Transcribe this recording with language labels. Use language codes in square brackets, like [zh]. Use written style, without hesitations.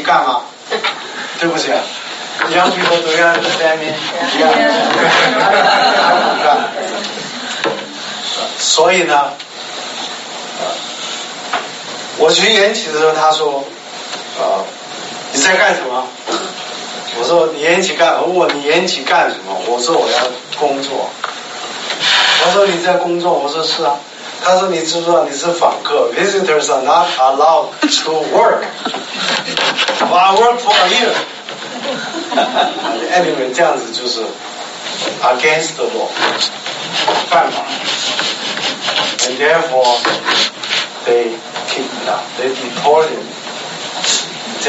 [zh] 法律改革，所以现在外侨，像我是外侨，外侨出去不回来的，一年不回来就失去永久居留。你在美国也是，你出去一年不回来永久居留，我呢就失去永久居留，傻乎乎的不知道，然后就回去了，回去以后在教会不是做工，做了一年发现我的护照怎么到期了，就去找，说我要申请延期，他们延期干嘛？对不起。 [en] Young people do you understand me? [zh] Yeah. 所以呢，我去延期的时候，他说，你在干什么？我说延期干什么？我说我要工作。他说你在工作？我说是啊。他说你知不知道你是访客 [en] ？Visitors are not allowed to work. Well, I work for you. Anyway， [zh] 这样子就是 [en] against the law， [zh] 犯法。 [en] And therefore they kicked me out， they deported me。